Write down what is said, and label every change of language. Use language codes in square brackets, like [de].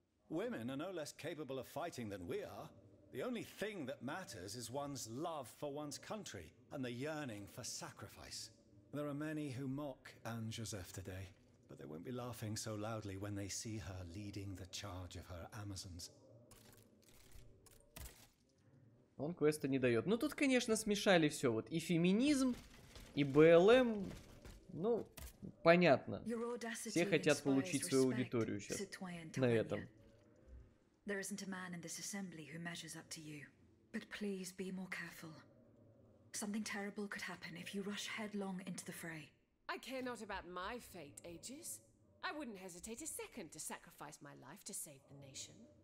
[en] Women are no less capable of fighting than we are. The only thing that matters is one's love for one's country and the yearning for sacrifice. There are many who mock Anne-Joseph today. But they won't be laughing so loudly when they see her leading the charge of her Amazons. [ru] Он квеста не дает. Ну тут, конечно, смешали все. Вот и феминизм, и BLM. Ну, понятно. Все хотят получить свою аудиторию сейчас на этом. [en] There isn't a man in this assembly who measures up to you. But please be more careful. Something terrible could happen if you rush headlong into the fray. I care not about my fate, Aegis. I wouldn't hesitate a second to sacrifice my life to save the nation.